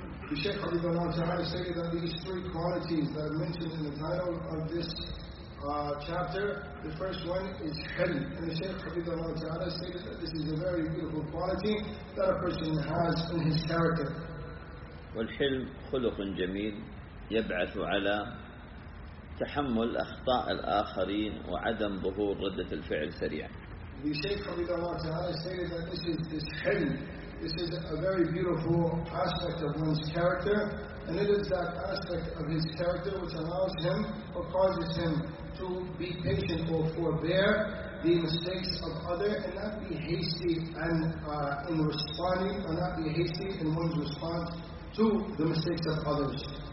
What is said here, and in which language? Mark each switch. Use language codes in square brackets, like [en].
[en] The Shaykh Abu Zahra say that these three qualities that are mentioned in the title of this chapter, the first one is Hilm. And the Shaykh Abu Zahra stated that this is a very beautiful quality that a person has in his character. [ar] والحلم خلق جميل يبعث على تحمل أخطاء الآخرين وعدم ظهور ردة الفعل سريع. [en] The Shaykh Abu Zahra stated that this Hilm. This is a very beautiful aspect of one's character, and it is that aspect of his character which allows him or causes him to be patient or forbear the mistakes of others and not be hasty and in responding, or not be hasty in one's response to the mistakes of others.